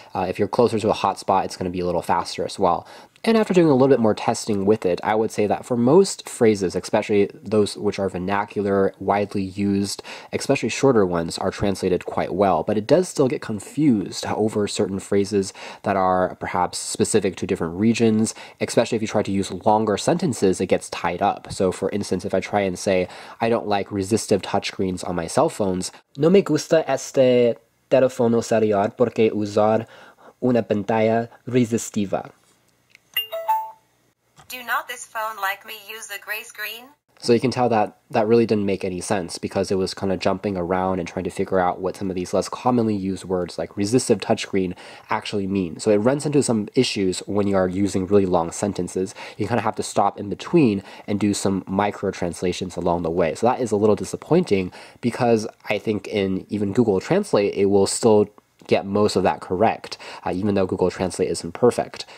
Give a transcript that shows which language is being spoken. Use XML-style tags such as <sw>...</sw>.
<en>If you're closer to a hotspot, it's going to be a little faster as well. And after doing a little bit more testing with it, I would say that for most phrases, especially those which are vernacular, widely used, especially shorter ones, are translated quite well. But it does still get confused over certain phrases that are perhaps specific to different regions, especially if you try to use longer sentences, it gets tied up. So for instance, if I try and say, I don't like resistive touchscreens on my cell phones.</en> <es>No me gusta este teléfono celular porque usar una pantalla resistiva.</es> <en>Do not this phone like me use a gray screen? So you can tell that that really didn't make any sense because it was kind of jumping around and trying to figure out what some of these less commonly used words like resistive touchscreen actually mean. So it runs into some issues when you are using really long sentences. You kind of have to stop in between and do some micro translations along the way. So that is a little disappointing because I think in even Google Translate, it will still get most of that correct, even though Google Translate isn't perfect.</en>